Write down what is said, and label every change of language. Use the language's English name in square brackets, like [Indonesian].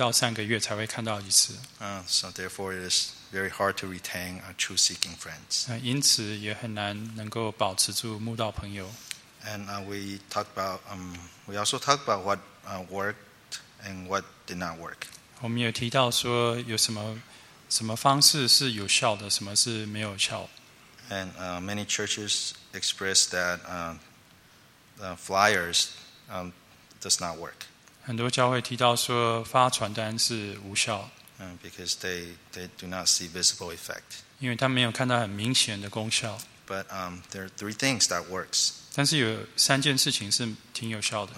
[Chinese] 他们也没有看到传道，因为传道只有每二到三个月才会看到一次. [English] So therefore, it is very hard to retain our true seeking friends. [Chinese] 因此也很难能够保持住慕道朋友. [English] And we also talked about what worked and what did not work. [Chinese] 我们也提到说有什么方式是有效的，什么是没有效. [English] And many churches express that flyers does not work. [Chinese] 很多教会提到说发传单是无效. [English] Because they do not see visible effect. [Chinese] 因为他没有看到很明显的功效. [English] But there are three things that works. [Chinese] 但是有三件事情是挺有效的.